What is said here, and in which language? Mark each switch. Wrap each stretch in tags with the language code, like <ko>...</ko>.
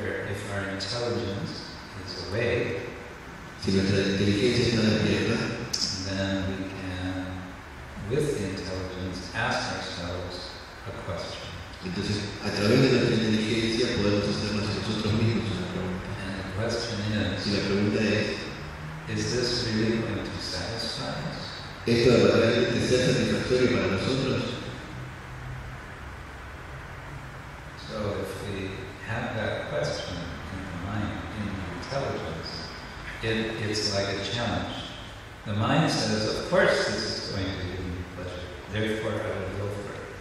<en>If our intelligence is awake.</en> <es>Si nuestra inteligencia está despierta,</es> <en>then we can, with the intelligence, ask ourselves a question.</en> <es>Entonces, a través de nuestra inteligencia podemos hacernos a nosotros mismos una pregunta.</es> <en>And the question is,</en> <es>y la pregunta es,</es> <en>is this really going to satisfy us?</en> <es>¿Esto realmente será satisfactorio para nosotros?</es> <en>So if we have that question in the mind, in the intelligence, it's like a challenge. The mind says, of course this is going to give me pleasure, therefore I will go for it.</en>